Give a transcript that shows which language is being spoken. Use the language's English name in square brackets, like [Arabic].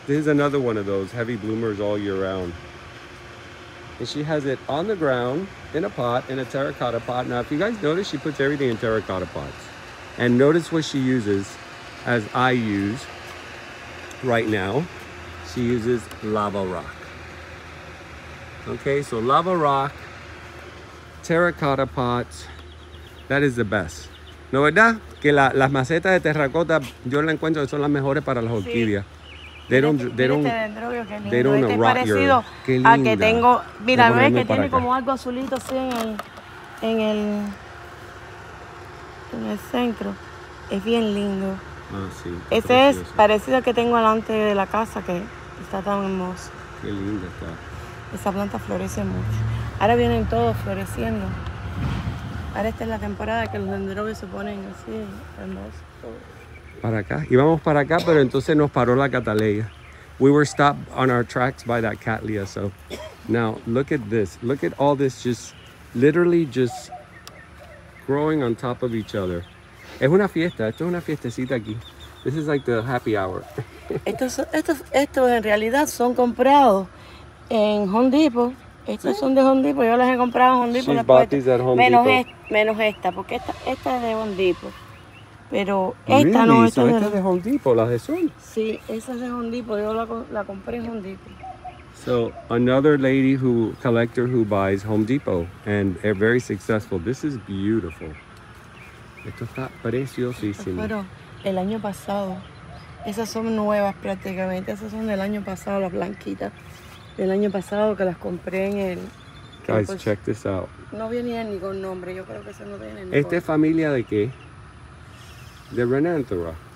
[English] This is another one of those heavy bloomers all year round. And she has it on the ground in a pot, in a terracotta pot. Now, if you guys notice, she puts everything in terracotta pots. And notice what she uses. as I use right now. She uses lava rock. Okay, so lava rock, terracotta pots, that is the best. [Spanish] ¿No verdad? Que las macetas de terracota, yo la encuentro, son las mejores para las orquídeas. Sí. [English] They don't este rot your... [Spanish] Qué linda. A que tengo, mira, ves que tiene acá como algo azulito así en el centro. Es bien lindo. Ah, sí. Ese es parecido al que tengo delante de la casa, que está tan hermoso. Qué linda está. Esa planta florece mucho. Ahora vienen todos floreciendo. Ahora esta es la temporada que los dendrobios se ponen así, hermosos todos. Para acá. Íbamos para acá, pero entonces nos paró la cataleya. [English] We were stopped on our tracks by that cattleya. So now look at this. Look at all this just literally just growing on top of each other. [Spanish] Es una fiesta. Esto es una fiestecita aquí. [English] This is like the happy hour. [Spanish] Estos en realidad son comprados en Home Depot. Estos son de Home Depot. Yo las he comprado en Home Depot. [English] She's bought these at Home [Spanish] menos [English] Depot. [Spanish] Menos esta, porque esta es de Home Depot. Pero esta really? No, esta es de Home Depot, la de Sun. Sí, esa es de Home Depot, yo la compré en Home Depot. [English] So, another lady who collector who buys Home Depot and are very successful. This is beautiful. [Spanish] Esto está preciosísimo. Pero el año pasado, esas son nuevas prácticamente, esas son del año pasado, las blanquitas. Del año pasado que las compré en el... [English] Guys, pues, check this out. [Spanish] No viene ni con nombre, yo creo que eso no viene ni con... ¿Esta es familia de qué? De Renanthera.